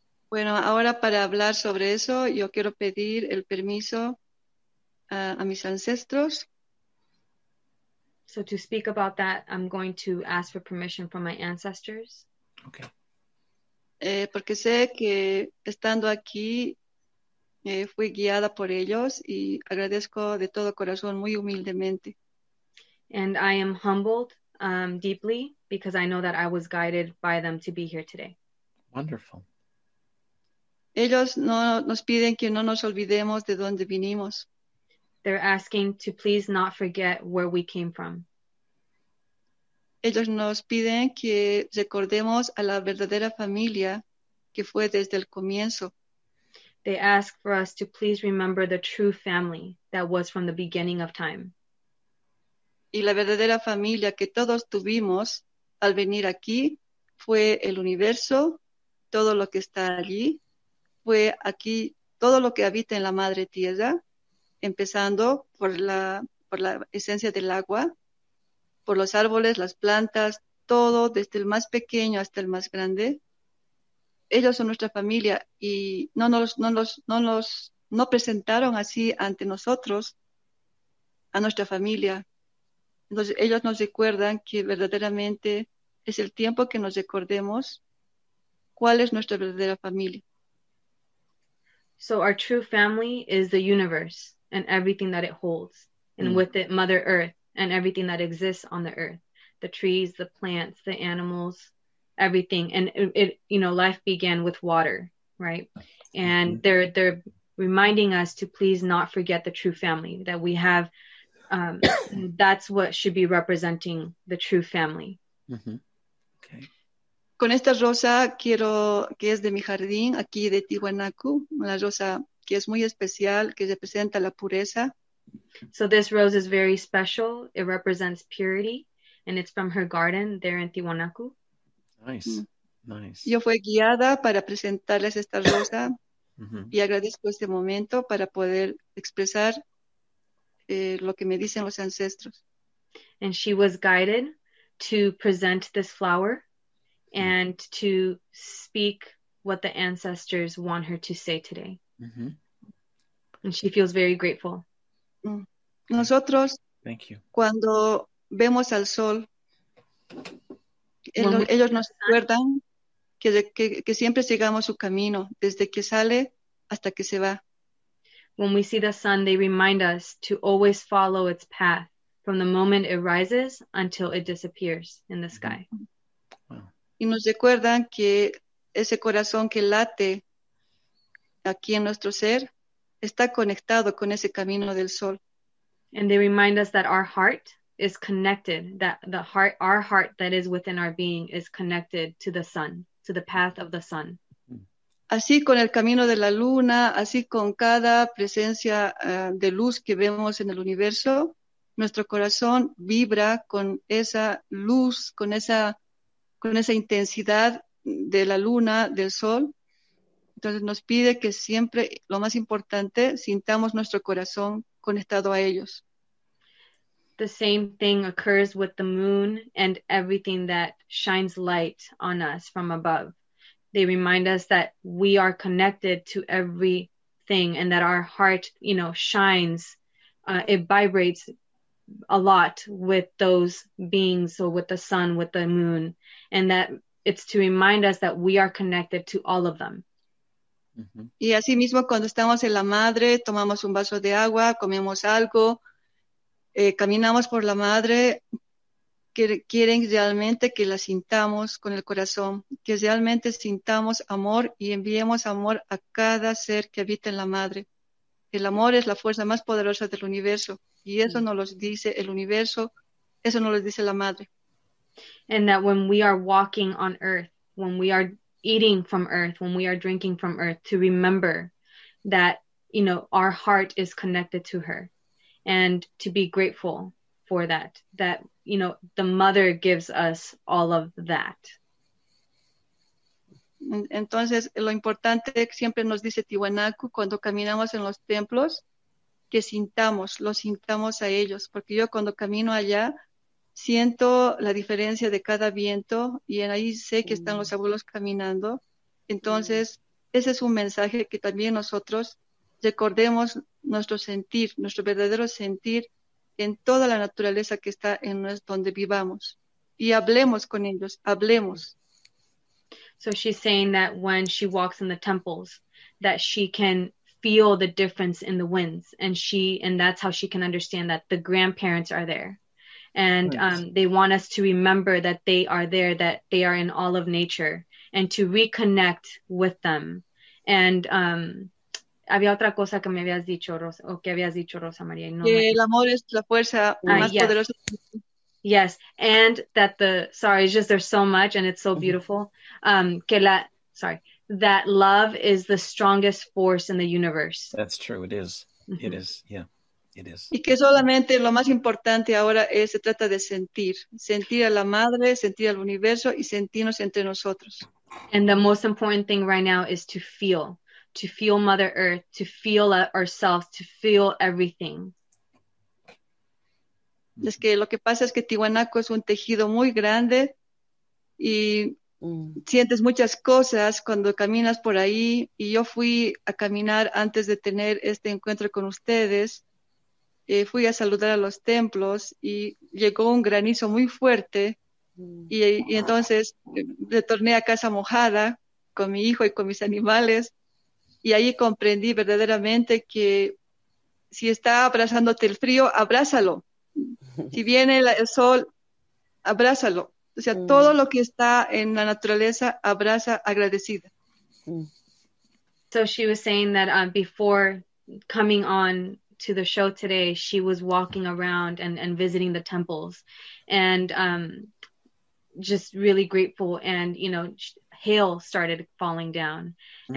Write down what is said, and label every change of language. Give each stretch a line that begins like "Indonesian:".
Spanish: Bueno, ahora para hablar sobre eso, yo quiero pedir el permiso a mis ancestros
English: So to speak about that, I'm going to ask for permission from my ancestors. Okay.
Spanish: Porque sé que estando aquí, fui guiada por ellos y agradezco de todo corazón, muy humildemente.
English: And I am humbled deeply because I know that I was guided by them to be here today. Wonderful.
Spanish: Ellos no nos piden que no nos olvidemos de dónde vinimos.
English: They're asking to please not forget where we came from.
Spanish: Ellos nos piden que recordemos a la verdadera familia que fue desde el comienzo.
English: They ask for us to please remember the true family that was from the beginning of time.
Spanish: Y la verdadera familia que todos tuvimos al venir aquí fue el universo, todo lo que está allí, fue aquí todo lo que habita en la madre tierra, empezando por la esencia del agua, por los árboles, las plantas, todo, desde el más pequeño hasta el más grande. Ellos son nuestra familia y no presentaron así ante nosotros a nuestra familia. Entonces ellos nos recuerdan que verdaderamente es el tiempo que nos recordemos cuál es nuestra verdadera familia.
English: So our true family is the universe and everything that it holds, and with it, Mother Earth and everything that exists on the earth, the trees, the plants, the animals, everything. And it, you know, life began with water, right? And they're reminding us to please not forget the true family that we have. That's what should be representing the true family. Okay.
Spanish: Con esta rosa quiero, que es de mi jardín aquí de Tiwanaku, una rosa que es muy especial, que representa la pureza.
English: So this rose is very special. It represents purity, and it's from her garden there in Tiwanaku. Nice.
Spanish: Yo fui guiada para presentarles esta rosa y agradezco este momento para poder expresar lo que me dicen los ancestros.
English: And she was guided to present this flower and to speak what the ancestors want her to say today. Mm-hmm. And she feels very grateful.
Spanish: Nosotros,
English: thank you.
Spanish: Cuando vemos al sol, ellos nos recuerdan que siempre sigamos su camino, desde que sale hasta que se va.
English: When we see the sun, they remind us to always follow its path from the moment it rises until it disappears in the sky. Wow.
Spanish: Y nos recuerdan que ese corazón que late aquí en nuestro ser está conectado con ese camino del sol.
English: And they remind us that our heart is connected, that the heart, our heart that is within our being is connected to the sun, to the path of the sun.
Spanish: Así con el camino de la luna, así con cada presencia de luz que vemos en el universo, nuestro corazón vibra con esa luz, con esa intensidad de la luna, del sol. Entonces nos pide que siempre, lo más importante, sintamos nuestro corazón conectado a ellos.
English: The same thing occurs with the moon and everything that shines light on us from above. They remind us that we are connected to everything and that our heart, you know, shines. It vibrates a lot with those beings, so with the sun, with the moon, and that it's to remind us that we are connected to all of them. Mm-hmm.
Spanish: Y así mismo, cuando estamos en la madre, tomamos un vaso de agua, comemos algo, caminamos por la madre, quieren realmente que la sintamos con el corazón, que realmente sintamos amor y enviemos amor a cada ser que habita en la madre. El amor es la fuerza más poderosa del universo y eso nos lo dice el universo, eso nos lo dice la madre.
English: And that when we are walking on earth, when we are eating from earth, when we are drinking from earth, to remember that, you know, our heart is connected to her. And to be grateful for that, you know, the mother gives us all of that.
Spanish: Entonces, lo importante es que siempre nos dice Tiwanaku cuando caminamos en los templos, que sintamos, lo sintamos a ellos. Porque yo cuando camino allá, siento la diferencia de cada viento y ahí sé que están los abuelos caminando. Entonces, ese es un mensaje que también nosotros recordemos nuestro sentir, nuestro verdadero sentir en toda la naturaleza que está en donde vivamos. Y hablemos con ellos, hablemos.
English: So she's saying that when she walks in the temples, that she can feel the difference in the winds. And that's how she can understand that the grandparents are there. And nice. They want us to remember that they are there, that they are in all of nature, and to reconnect with them. And
Spanish: había otra cosa que me habías dicho, Rosa, o que habías dicho, Rosa María. No, que me... el amor es la fuerza más yes. poderosa.
English: Yes, and that the, sorry, it's just there's so much and it's so beautiful.
Spanish: Que la,
English: sorry, that love is the strongest force in the universe. That's true, it is. It is, yeah. It is.
Spanish: Y que solamente lo más importante ahora es, se trata de sentir. Sentir a la madre, sentir al universo y sentirnos entre nosotros.
English: And the most important thing right now is to feel Mother Earth, to feel ourselves, to feel everything.
Spanish: Es que lo que pasa es que Tiwanaku es un tejido muy grande y sientes muchas cosas cuando caminas por ahí. Y yo fui a caminar antes de tener este encuentro con ustedes. Fui a saludar a los templos y llegó un granizo muy fuerte y entonces retorné a casa mojada con mi hijo y con mis animales y ahí comprendí verdaderamente que si está abrazándote el frío, abrázalo. Si viene el sol, abrázalo. O sea, todo lo que está en la naturaleza, abraza agradecida.
English: So she was saying that before coming on to the show today, she was walking around and visiting the temples and just really grateful. And, you know, hail started falling down. Mm.